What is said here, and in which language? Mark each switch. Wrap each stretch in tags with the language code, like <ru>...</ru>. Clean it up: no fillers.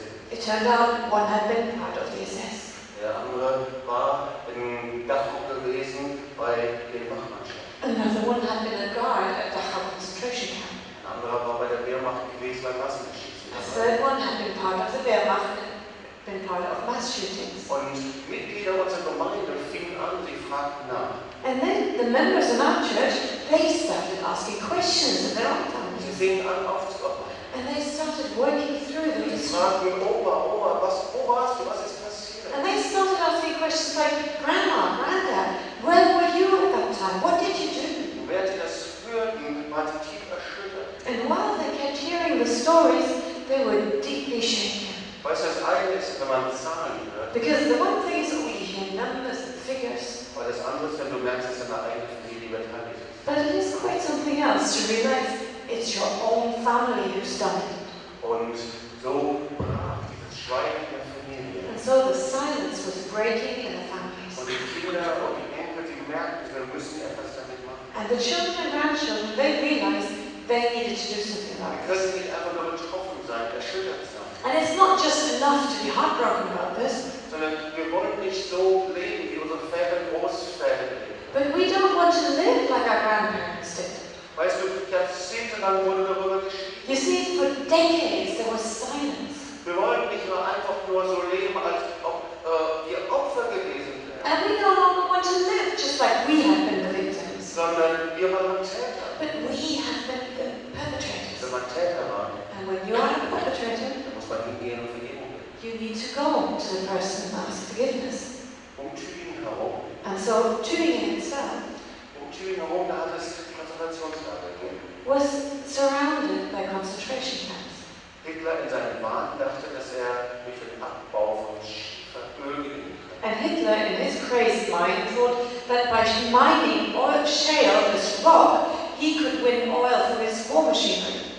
<en>It turned out one had been part of the SS.</en> <de>Der andere war im Dachbuch gewesen bei den Wachmannschaften.</de> <en>Another one had been a guard at the concentration camp.</en> <de>Ein anderer war bei der Wehrmacht gewesen beim Massenschießen.</de> <en>A third one had been part of the Wehrmacht, been part of mass shootings.</en> <de>Und Mitglieder unserer Gemeinde fingen an, sie fragten nach.</de> <en>And then the members of our church, they started asking questions in their own tongues.</en> <de>Sie fingen an, aufzuarbeiten.</de> <en>And they started working through them.</en> <de>Sie fragten: Oma, Oma, was, wo warst du, was ist passiert?</de> <en>And they started asking questions like: Grandma, Granddad, where were you at that time? What did you do?</en> <de>Wer die das hörten, waren sie tief erschüttert.</de> <en>And while they kept hearing the stories, they were deeply shaken.</en> <de>Weißt du, das eine ist, wenn man Zahlen hört.</de> <en>Because the one thing is that we hear numbers and figures.</en> <de>Weil das andere ist, wenn du merkst, dass deine eigene Familie beteiligt ist.</de> <en>But it is quite something else to realize it's your own family who's done it.</en> <de>Und so brach dieses Schweigen in der Familie.</de> <en>And so the silence was breaking in the families.</en> <de>Und die Kinder und die Enkel, die merkten, wir müssen etwas damit machen.</de> <en>And the children and grandchildren, they realized they needed to do something about it.</en> <de>Wir können nicht einfach nur betroffen sein, erschüttert sein.</de> <en>And it's not just enough to be heartbroken about this.</en> <de>Sondern wir wollen nicht so leben, wie unsere Väter und Großväter leben.</de> <en>But we don't want to live like our grandparents did.</en> <de>Weißt du, jahrzehntelang wurde darüber geschrieben.</de> <en>You see, for decades there was silence.</en> <de>Wir wollen nicht nur einfach nur so leben, als ob wir Opfer gewesen wären.</de> <en>And we no longer want to live just like we have been the victims.</en> <de>Sondern wir waren Täter.</de> <en>But we have been the perpetrators.</en> <de>Wenn man Täter war.</de> <en>And when you are a perpetrator,</en> <de>dann muss man hingehen und vergeben.</de> <en>You need to go to the person who asks forgiveness.</en> <de>Um Tübingen herum.</de> <en>And so Tübingen itself.</en> <de>Um Tübingen herum, da hat es</de> <en>was surrounded by concentration camps.</en> <de>Hitler in seinem Wahn dachte, dass er durch den Abbau von Schiefer Öl gewinnen könnte.</de> <en>And Hitler in his crazy mind thought that by mining oil shale, this rock, he could win oil from his war machinery.</en>